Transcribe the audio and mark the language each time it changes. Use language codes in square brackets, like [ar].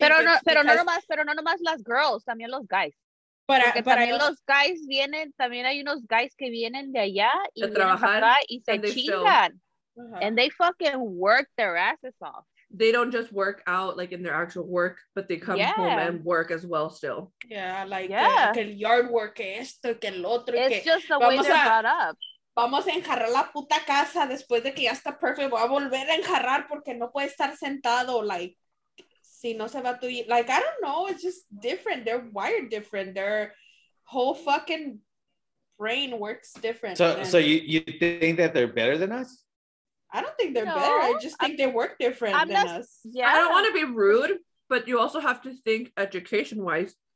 [es] pero no nomás las girls, también los guys. Los guys vienen, también hay unos guys que vienen de allá y trabajar y se chingan. [en] And they fucking work their asses off. They don't just work out like in their actual work, but they come home and work as well still. Yeah, like [es] que el yard work esto, que el otro. [en] It's just the way they're brought up. [es] Vamos a enjarrar la puta casa después de que ya está perfect. Voy a volver a enjarrar porque no puede estar sentado, like. Si no se va tu, like, [en] I don't know. It's just different. They're wired different. Their whole fucking brain works different. So you think that they're better than us? I don't think they're better. I just think they work different us. Yeah. I don't want to be rude, but you also have to think education-wise.